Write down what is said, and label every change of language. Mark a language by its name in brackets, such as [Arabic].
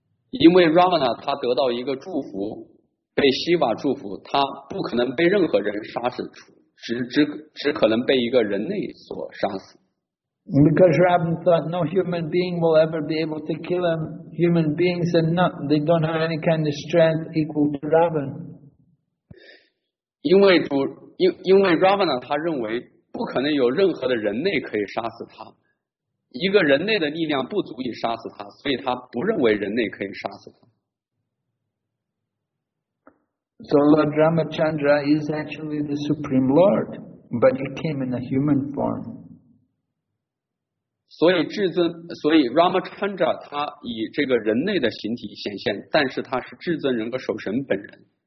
[Chinese] 因为 Ravana 他得到一个祝福，被 Shiva 祝福，他不可能被任何人杀死，只可能被一个人类所杀死。 [English] Because Ravan thought no human being will ever be able to kill him. Human beings are not, they don't have any kind of strength equal to Ravan. [Chinese] 因为 Ravana 他认为不可能有任何的人类可以杀死他，一个人类的力量不足以杀死他，所以他不认为人类可以杀死他。 [English] So Lord Ramachandra is actually the Supreme Lord, but he came in a human form. [Chinese] 所以 Ramachandra 他以这个人类的形体显现，但是他是至尊人格守神本人。